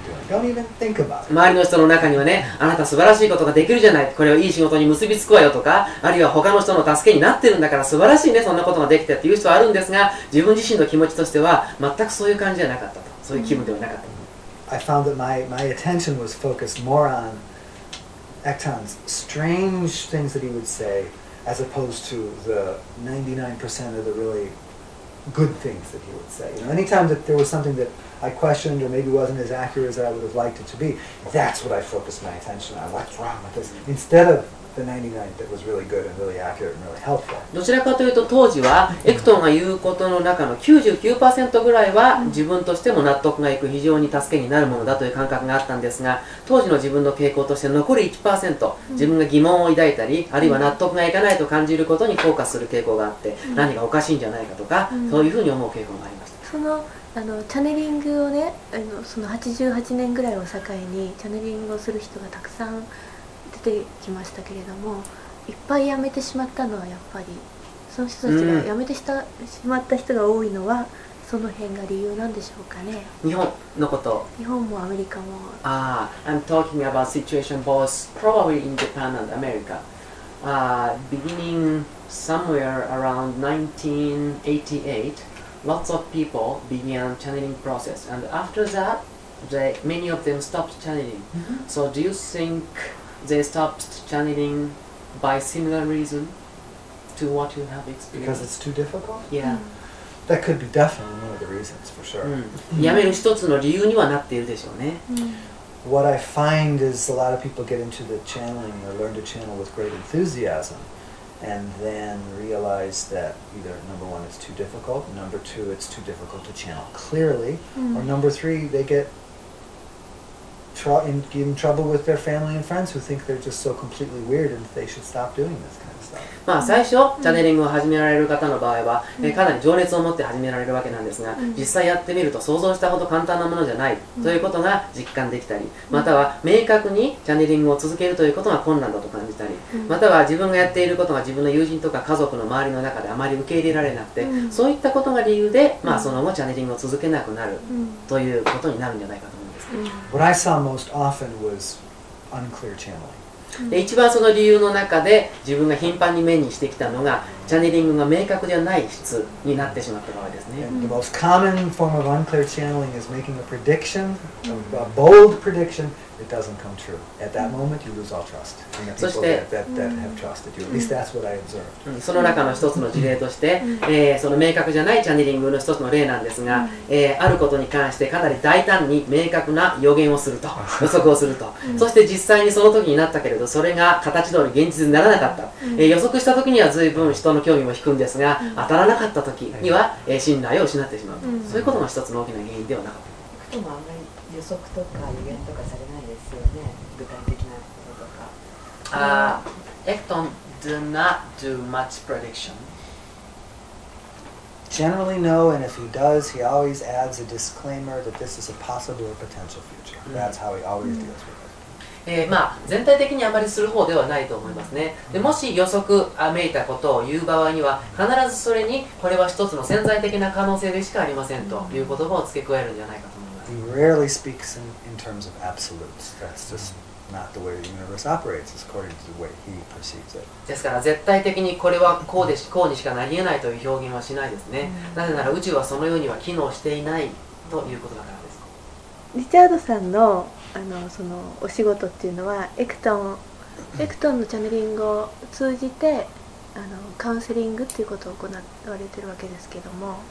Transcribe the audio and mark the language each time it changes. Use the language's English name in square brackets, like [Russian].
[Japanese] 周りの人の中にはね、あなた素晴らしいことができるじゃない、これをいい仕事に結びつくわよとか、あるいは他の人の助けになってるんだから素晴らしいね、そんなことができてっていう人はあるんですが、自分自身の気持ちとしては全くそういう感じじゃなかったと、そういう気分ではなかった。 [English] I found that my attention was focused more on Acton's strange things that he would say as opposed to the 99% of the reallygood things that he would say. You know, anytime that there was something that I questioned or maybe wasn't as accurate as I would have liked it to be, that's what I focused my attention on. What's wrong with this? Instead of the 99 that was really good and really accurate and really helpful. [Japanese] どちらかというと当時はエクトンが言うことの中の 99% ぐらいは自分としても納得がいく、非常に助けになるものだという感覚があったんですが、当時の自分の傾向として残り 1%、 自分が疑問を抱いたり、あるいは納得がいかないと感じることにフォーカスする傾向があって、何がおかしいんじゃないかとか、そういうふうに思う傾向がありました。あのチャネリングをね、その88年ぐらいを境にチャネリングをする人がたくさん出てきましたけれども、いっぱい辞めてしまったのはやっぱりその人たちが辞めてしまった人が多いのはその辺が理由なんでしょうかね。日本のこと、日本もアメリカも、 [English] I'm talking about situation both probably in Japan and America、beginning somewhere around 1988 lots of people began channeling process and after that many of them stopped channeling、mm-hmm. So do you thinkthey stopped channeling by similar reason to what you have experienced? Because it's too difficult? Yeah. That could be definitely one of the reasons, for sure. [Japanese] やめる一つの理由にはなっているでしょうね。 [English] What I find is a lot of people get into the channeling or learn to channel with great enthusiasm and then realize that either number one, it's too difficult, number two, it's too difficult to channel clearly, or number three, they getin trouble with their family and friends who think they're just so completely weird and they should stop doing this kind of stuff. [Japanese] まあ最初チャネリングを始められる方の場合は、かなり情熱を持って始められるわけなんですが、実際やってみると想像したほど簡単なものじゃないということが実感できたり、または明確にチャネリングを続けるということが困難だと感じたり、または自分がやっていることが自分の友人とか家族の周りの中であまり受け入れられなくて、そういったことが理由で、まあその後チャネリングを続けなくなるということになるんじゃないかと。 [English] What I saw most often was unclear channeling. [Japanese] 一番その理由の中で自分が頻繁に目にしてきたのが、チャネリングが明確ではない質になってしまった場合ですね。 [English] The most common form of unclear channeling is making a prediction, a bold prediction, it doesn't come true. At that moment, you lose all trust. [Japanese] そして、 [English] that have trusted you. At least that's what I observed. [Japanese] その中の一つの事例として、その明確じゃないチャネリングの一つの例なんですが、あることに関してかなり大胆に明確な予言をすると、予測をすると。そして実際にその時になったけれど、それが形通り現実にならなかった。予測した時には随分人の興味も引くんですが、当たらなかった時には、信頼を失ってしまうと。そういうことが一つの大きな原因ではなかった。でもあんまり予測とか予言とかされないですよね、具体的なこととか。 [English] Ecton do not do much prediction. Generally no, and if he does, he always adds a disclaimer that this is a possible or potential future. That's how he always deals with it. [Japanese] まあ、全体的にあまりする方ではないと思いますね。で、もし予測めいたことを言う場合には、必ずそれに、これは一つの潜在的な可能性でしかありませんという言葉を付け加えるんじゃないかと思います。 [English] He rarely speaks in terms of absolutes. That's just not the way the universe operates, according to the way he perceives it. [Japanese] ですから絶対的にこれはこうでし、こうにしかなり得ないという表現はしないですね。なぜなら宇宙はそのようには機能していないということだからです。リチャードさんの、そのお仕事っていうのは、エクトンのチャネリングを通じて、カウンセリングっていうことを行われているわけですけども。